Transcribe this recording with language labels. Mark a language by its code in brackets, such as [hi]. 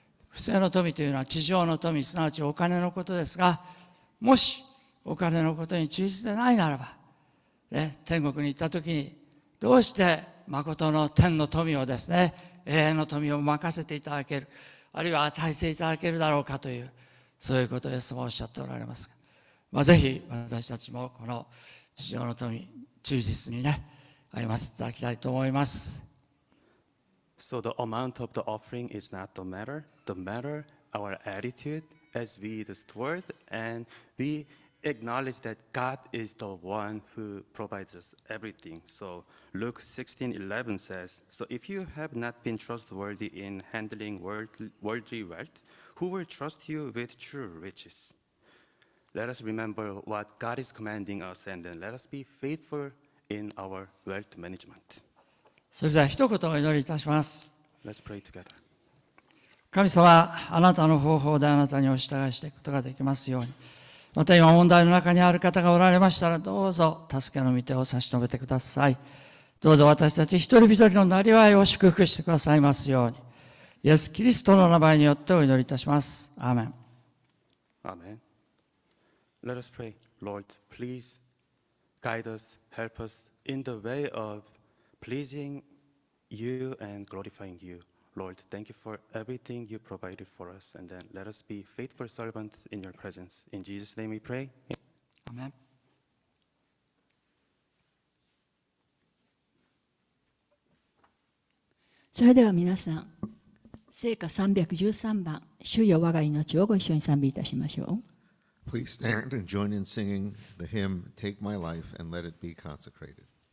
[ja] 不正の富というのは地上の富、すなわちお金のことですが、もしお金のことに忠実でないならば、ね、天国に行った時にどうして誠の天の富をですね、永遠の富を任せていただける、あるいは与えていただけるだろうかという、そういうことをイエス様はおっしゃっておられますが、まあ、ぜひ私たちもこの地上の富忠実にね、歩ませていただきたいと思います。 [en] So the amount of the offering is not the matter. The matter our attitude as we the steward, and we acknowledge that God is the one who provides us everything. So Luke 16:11 says, so if you have not been trustworthy in handling worldly wealth, who will trust you with true riches? Let us remember what God is commanding us, and then let us be faithful in our wealth management. [ja] それでは一言お祈りいたします。 [en] Let's pray together. [ja] 神様、あなたの方法であなたにお従いしていくことができますように、また今問題の中にある方がおられましたら、どうぞ助けの御手を差し伸べてください。どうぞ私たち一人一人のなりわいを祝福してくださいますように、イエス・キリストの名前によってお祈りいたします。アーメン。 [en] アーメン。Let us pray. Lord, please guide us, help us in the way of pleasing you and glorifying you. Lord, thank you for everything you provided for us, and then let us be faithful servants in your presence. In Jesus' name we pray. Amen. [ja] それでは皆さん、聖歌313番、主よ我が命をご一緒に賛美いたしましょう。 [en] Please stand and join in singing the hymn, Take My Life and Let It Be Consecrated.